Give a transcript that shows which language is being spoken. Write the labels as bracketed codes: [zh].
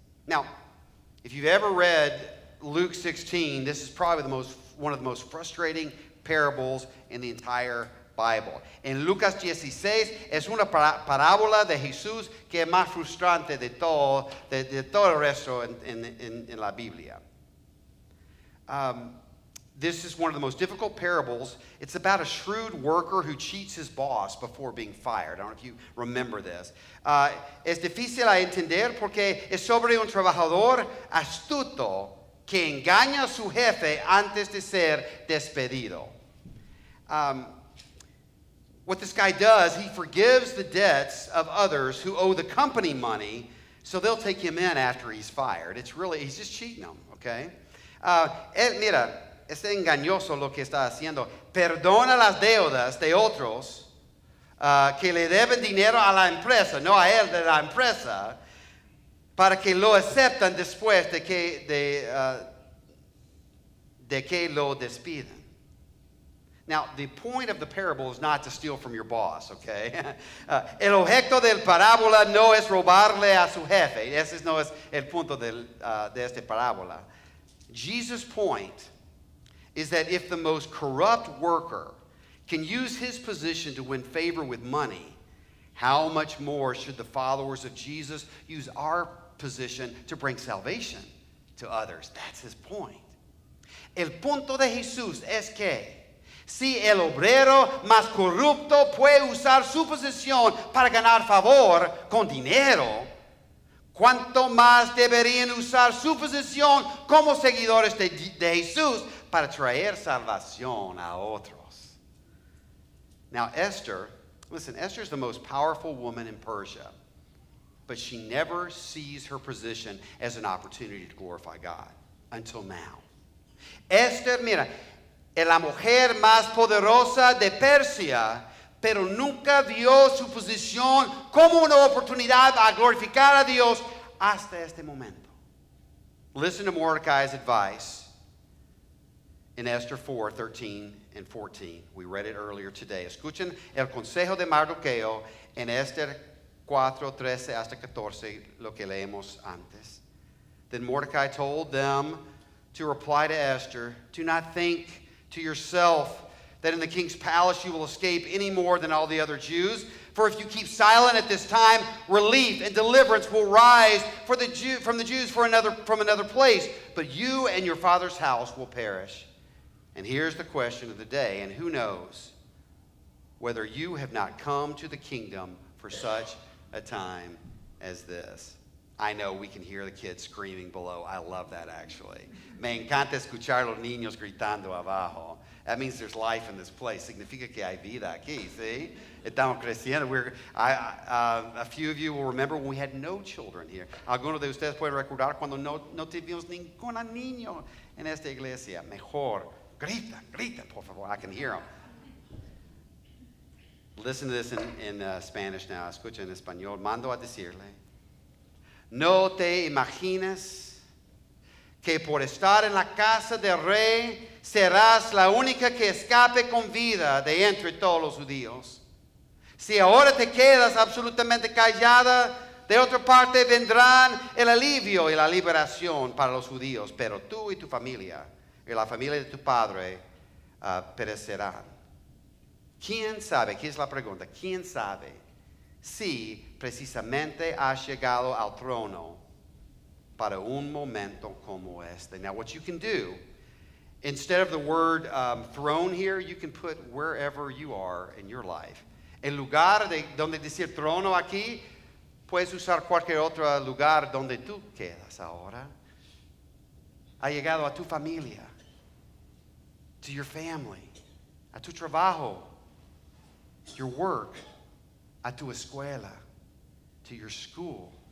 [en] Now, if you've ever read Luke 16, this is probably one of the most frustrating parables in the entire Bible. [es] En Lucas 16 es una parábola de Jesús que es más frustrante de todo el resto en la Biblia. [en] This is one of the most difficult parables. It's about a shrewd worker who cheats his boss before being fired. I don't know if you remember this. [es] Es difícil a entender porque es sobre un trabajador astuto que engaña a su jefe antes de ser despedido. [en] What this guy does, he forgives the debts of others who owe the company money, so they'll take him in after he's fired. It's really, he's just cheating them, okay? [es] Mira, es engañoso lo que está haciendo. Perdona las deudas de otros que le deben dinero a la empresa, no a él de la empresa, para que lo aceptan después de que lo despiden. [en] Now, the point of the parable is not to steal from your boss, okay? [es] El objeto del parábola no es robarle a su jefe. Ese no es el punto de esta parábola. [en] Jesus' point is that if the most corrupt worker can use his position to win favor with money, how much more should the followers of Jesus use our position to bring salvation to others? That's his point. [es] El punto de Jesús es que si el obrero más corrupto puede usar su posición para ganar favor con dinero, ¿cuánto más deberían usar su posición como seguidores de Jesús para traer salvación a otros? [en] Now, Esther is the most powerful woman in Persia, but she never sees her position as an opportunity to glorify God until now. [es] Esther, mira, es la mujer más poderosa de Persia, pero nunca vio su posición como una oportunidad a glorificar a Dios hasta este momento. [en] Listen to Mordecai's advice in Esther 4, 13 and 14. We read it earlier today. [es] Escuchen el consejo de Mardoqueo en Esther 4, 13 hasta 14, lo que leemos antes. [en] Then Mordecai told them to reply to Esther, "Do not think to yourself that in the king's palace you will escape any more than all the other Jews. For if you keep silent at this time, relief and deliverance will rise from another place. But you and your father's house will perish. And here's the question of the day, and who knows whether you have not come to the kingdom for such a time as this." I know we can hear the kids screaming below. I love that, actually. [es] Me encanta escuchar los niños gritando abajo. [en] That means there's life in this place. [es] Significa que hay vida aquí, ¿sí? Estamos creciendo. [en] A few of you will remember when we had no children here. [es] Algunos de ustedes pueden recordar cuando no tuvimos ningún niño en esta iglesia. Mejor. Grita, por favor. [en] I can hear them. Listen to this in Spanish now. [es] Escucha en español. Mando a decirle. No te imaginas que por estar en la casa del rey serás la única que escape con vida de entre todos los judíos. Si ahora te quedas absolutamente callada, de otra parte vendrán el alivio y la liberación para los judíos, pero tú y tu familia y la familia de tu padre perecerán. ¿Quién sabe? ¿Qué es la pregunta? ¿Quién sabe si precisamente has llegado al trono para un momento como este? [en] Now, what you can do, instead of the word throne here, you can put wherever you are in your life. [es] En lugar de donde decir trono aquí, puedes usar cualquier otro lugar donde tú quedas ahora. Ha llegado a tu familia, [en] to your family, [es] a tu trabajo, [en] your work, [es] a tu escuela, [en] to your school.